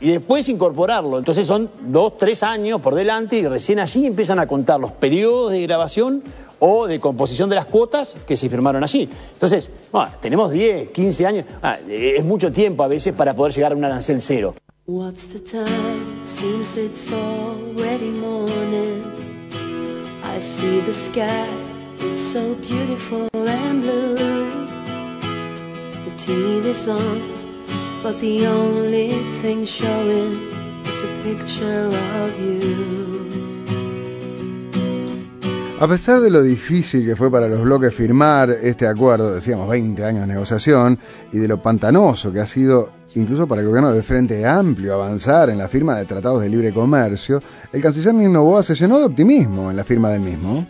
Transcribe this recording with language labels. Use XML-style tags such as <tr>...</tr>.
<es>Y después incorporarlo. Entonces son 2-3 años por delante y recién allí empiezan a contar los periodos de grabación o de composición de las cuotas que se firmaron allí. Entonces, bueno, tenemos 10, 15 años. Es mucho tiempo a veces para poder llegar a un arancel cero.</es> <en>What's the time? Seems it's already morning. I see the sky, it's so beautiful and blue. The TV is on, but the only thing showing is a picture of you.</en> <es>A pesar de lo difícil que fue para los bloques firmar este acuerdo, decíamos 20 años de negociación, y de lo pantanoso que ha sido incluso para el gobierno del Frente Amplio avanzar en la firma de tratados de libre comercio, el canciller Noboa se llenó de optimismo en la firma del mismo.</es>